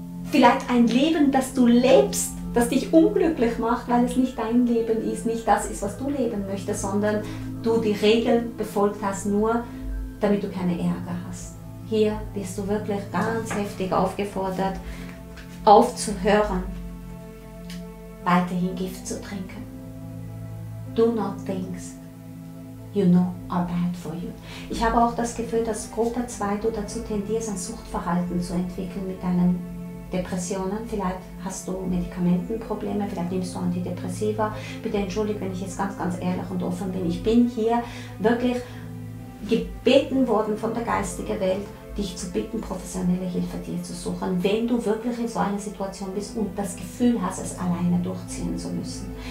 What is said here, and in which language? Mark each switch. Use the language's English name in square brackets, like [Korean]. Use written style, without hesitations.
[German] vielleicht ein Leben, das du lebst, das dich unglücklich macht, weil es nicht dein Leben ist, nicht das ist, was du leben möchtest, sondern du die Regeln befolgt hast, nur damit du keine Ärger hast. Hier wirst du wirklich ganz heftig aufgefordert, aufzuhören, weiterhin Gift zu trinken. [English] Do not think you know are bad for you. [German] Ich habe auch das Gefühl, dass Gruppe 2 du dazu tendierst, ein Suchtverhalten zu entwickeln mit deinen Depressionen, vielleicht hast du Medikamentenprobleme, vielleicht nimmst du Antidepressiva. Bitte entschuldige, wenn ich jetzt ganz, ganz ehrlich und offen bin. Ich bin hier wirklich gebeten worden von der geistigen Welt, dich zu bitten, professionelle Hilfe dir zu suchen, wenn du wirklich in so einer Situation bist und das Gefühl hast, es alleine durchziehen zu müssen.